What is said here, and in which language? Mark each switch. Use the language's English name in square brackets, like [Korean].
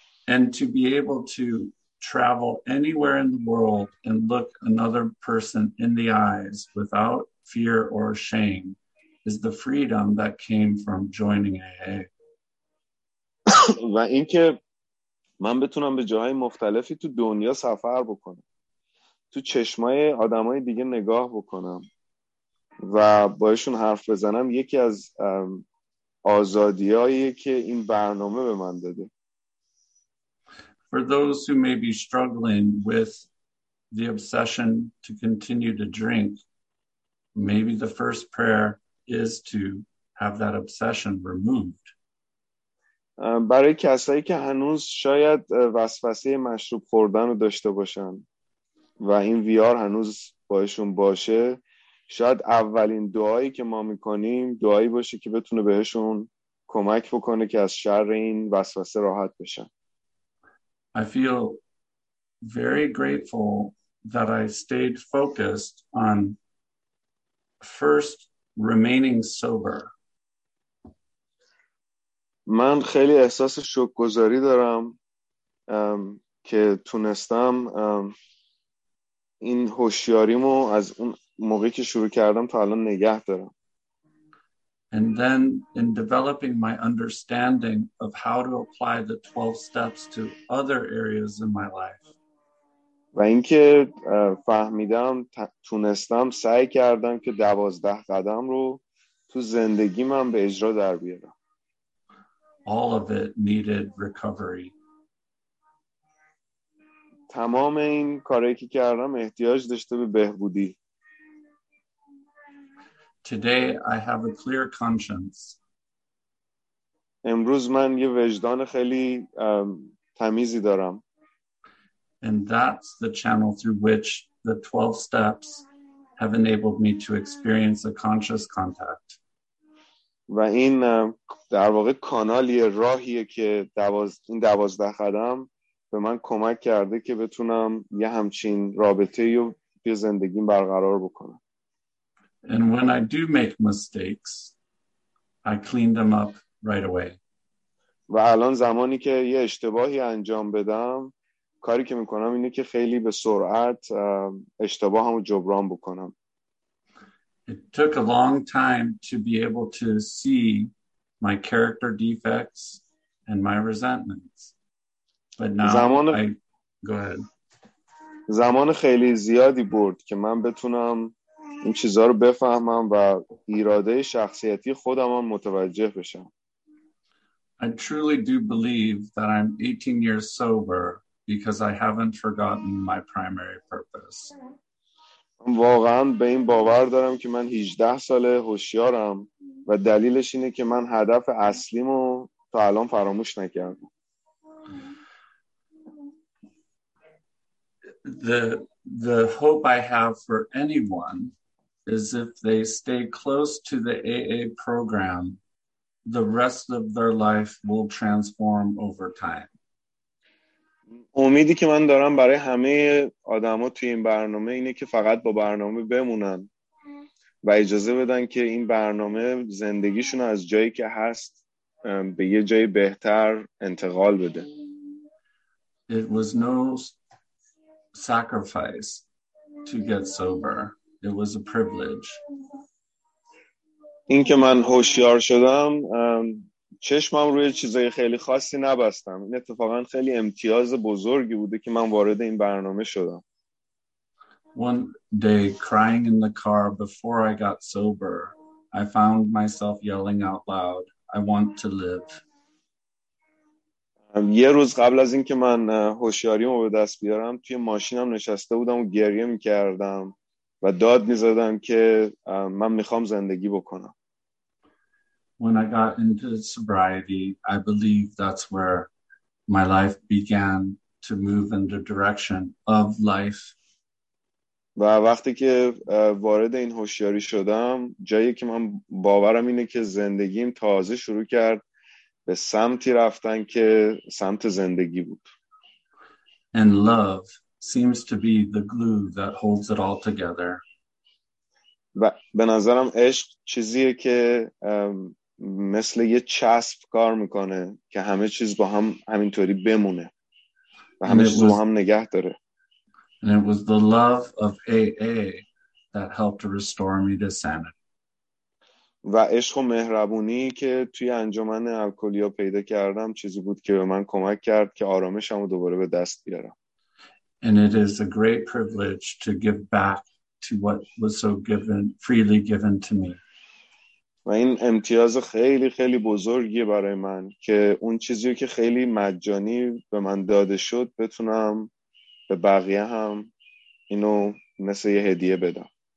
[English] And to be able to travel anywhere in the world and look another person in the eyes without fear or shame is the freedom that came from joining AA. [Persian] و اینکه من بتونم به جاهای مختلفی تو دنیا سفر بکنم، تو چشمای آدمای دیگه نگاه بکنم و باهاشون حرف بزنم، یکی از آزادیایی که این برنامه به من داده. [English] For those who may be struggling with the obsession to continue to drink, maybe the first prayer is to have that obsession removed. [Persian] برای کسایی که هنوز شاید وسوسه مشروب خوردن رو داشته باشن و این VR هنوز باهشون باشه، شاید اولین دعایی که ما میکنیم دعایی باشه که بتونه بهشون کمک بکنه که از شر این وسوسه راحت بشن. [English] I feel very grateful that I stayed focused on first remaining sober. [Persian] من خیلی احساس شکرگزاری دارم که تونستم این هوشیاریمو از اون موقعی که شروع کردم تا الان نگه دارم. [English] And then in developing my understanding of how to apply the 12 steps to other areas in my life. [Persian] و اینکه فهمیدم تونستم سعی کردم که 12 قدم رو تو زندگیم به اجرا در بیارم. [English] All of it needed recovery. [Persian] تمام این کاری که کردم احتیاج داشته به بهبودی. [English] Today I have a clear conscience. [Persian] امروز من یه وجدان خیلی تمیزی دارم. [English] And that's the channel through which the 12 steps have enabled me to experience a conscious contact. [Persian] و این در واقع کانالی راهیه که این 12 قدم به من کمک کرده که بتونم یه همچین رابطه رو توی زندگیم برقرار بکنم. [English] And when I do make mistakes, I clean them up right away. [Persian] و الان زمانی که یه اشتباهی انجام بدم، کاری که میکنم اینه که خیلی به سرعت اشتباهمو جبران بکنم. [English] It took a long time to be able to see my character defects and my resentments. But now [Persian] زمان خیلی زیادی برد که من بتونم این چیزها رو بفهمم و اراده شخصیتی خودم هم متوجه بشم. [English] I truly do believe that I'm 18 years sober because I haven't forgotten my primary purpose. [Persian] واقعا به این باور دارم که من 18 ساله هوشیارم و دلیلش اینه که من هدف اصلیم رو تا الان فراموش نکردم. [English] The hope I have for anyone is if they stay close to the AA program, the rest of their life will transform over time. [Persian] امیدی که من دارم برای همه آدما توی این برنامه اینه که فقط با برنامه بمونن و اجازه بدن که این برنامه زندگیشون از جایی که هست به یه جای بهتر انتقال بده. [English] It was no sacrifice to get sober. It was a privilege. [Persian] این که من هوشیار شدم چشمم روی چیزای خیلی خاصی نبستم. این اتفاقا خیلی امتیاز بزرگی بوده که من وارد این برنامه شدم. [English] One day crying in the car before I got sober, I found myself yelling out loud, I want to live. [Persian] یه روز قبل از اینکه من هوشیاریمو به دست بیارم توی ماشینم نشسته بودم و گریه می‌کردم و داد می‌زدم که من می‌خوام زندگی بکنم. [English] When I got into sobriety, I believe that's where my life began to move in the direction of life. [Persian] و وقتی که وارد این هوشیاری شدم، جایی که من باورم اینه که زندگیم تازه شروع کرد به سمتی رفتن که سمت زندگی بود. [English] And love seems to be the glue that holds it all together. [Persian] به نظرم عشق چیزیه که مثل یه چسب کار میکنه که همه چیز با هم همینطوری بمونه و همه چیز با هم نگه داره. [English] And it was the love of AA that helped restore me to sanity. [Persian] و عشق و مهربونی که توی انجمن الکلیا پیدا کردم چیزی بود که به من کمک کرد که آرامشم رو دوباره به دست بیارم. [English] And it is a great privilege to give back to what was so freely given to me. [Persian] و این امتیاز خیلی خیلی بزرگی برای من که اون چیزی که خیلی مجانی به من داده شد بتونم به بقیه هم اینو مثل یه هدیه بدم.